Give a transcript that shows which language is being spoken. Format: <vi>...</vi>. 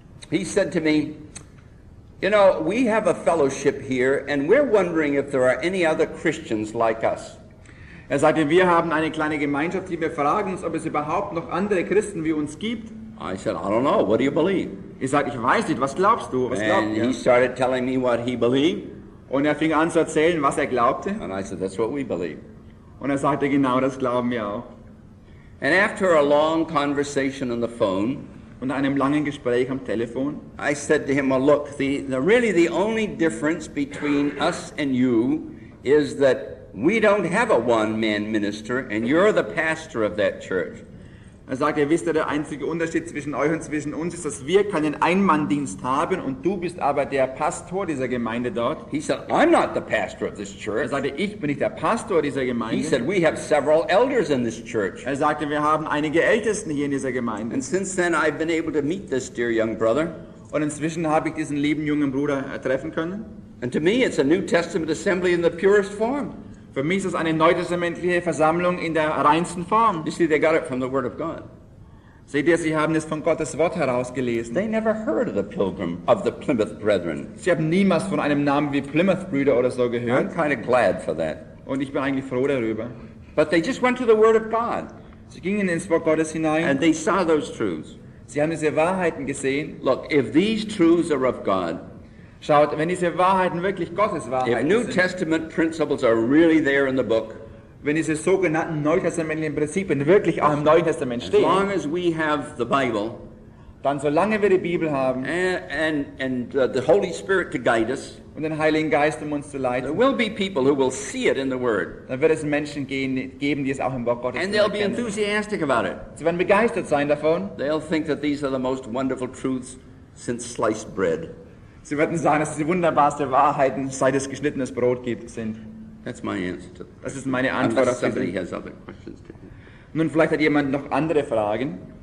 <en>He said to me, you know, we have a fellowship here and we're wondering if there are any other Christians like us.</en> <de>Er sagte, wir haben eine kleine Gemeinschaft hier, wir fragen uns, ob es überhaupt noch andere Christen wie uns gibt.</de> <en>I said, I don't know, what do you believe?</en> <de>Ich sagte, ich weiß nicht, was glaubst du?</de> <en>And he started telling me what he believed.</en> <de>Und er fing an zu erzählen, was er glaubte.</de> <en>And I said, that's what we believe.</en> <de>Und er sagte, genau das glauben wir auch.</de> <en>And after a long conversation on the phone,</en> <de>und nach einem langen Gespräch am Telefon,</de> <en>I said to him, well, look, the only difference between us and you is that we don't have a one-man minister and you're the pastor of that church.</en> <de>Er sagte, wisst ihr, der einzige Unterschied zwischen euch und zwischen uns ist, dass wir keinen Einmanndienst haben und du bist aber der Pastor dieser Gemeinde dort.</de> <en>He said, I'm not the pastor of this church.</en> <de>Er sagte, ich bin nicht der Pastor dieser Gemeinde.</de> <en>He said, we have several elders in this church.</en> <de>Er sagte, wir haben einige Ältesten hier in dieser Gemeinde.</de> <en>And since then I've been able to meet this dear young brother.</en> <de>Und inzwischen habe ich diesen lieben jungen Bruder treffen können.</de> <en>And to me it's a New Testament assembly in the purest form.</en> <de>Für mich ist es eine neutestamentliche Versammlung in der reinsten Form.</de> <en>You see, they got it from the Word of God.</en> <de>Seht ihr, sie haben es von Gottes Wort herausgelesen.</de> <en>They never heard of the Pilgrim of the Plymouth Brethren.</en> <de>Sie haben niemals von einem Namen wie Plymouth Brüder oder so gehört.</de> <en>I'm kind of glad for that.</en> <de>Und ich bin eigentlich froh darüber.</de> <en>But they just went to the Word of God.</en> <de>Sie gingen ins Wort Gottes hinein.</de> <en>And they saw those truths.</en> <de>Sie haben diese Wahrheiten gesehen.</de> <en>Look, if these truths are of God.</en> <de>Schaut, wenn diese Wahrheiten wirklich Gottes Wahrheiten sind.</de> <en>If New Testament principles are really there in the book.</en> <de>Wenn diese sogenannten neutestamentlichen Prinzipien wirklich auch im Neuen Testament stehen.</de> <en>As long as we have the Bible.</en> <de>Dann solange wir die Bibel haben.</de> <en>And the Holy Spirit to guide us.</en> <de>Und den Heiligen Geist um uns zu leiten.</de> <en>There will be people who will see it in the Word.</en> <de>Dann wird es Menschen geben, die es auch im Wort Gottes</de> <en>And they'll be enthusiastic about it.</en> <de>Sie werden begeistert sein davon.</de> <en>They'll think that these are the most wonderful truths since sliced bread.</en> <de>Sie würden sagen, dass es die wunderbarste Wahrheiten, seit es geschnittenes Brot gibt, sind.</de> <en>That's my answer to</en> <de>das ist meine Antwort.</de> <en>Unless somebody has other questions to</en> <de>Nun, vielleicht hat jemand noch andere Fragen.</de>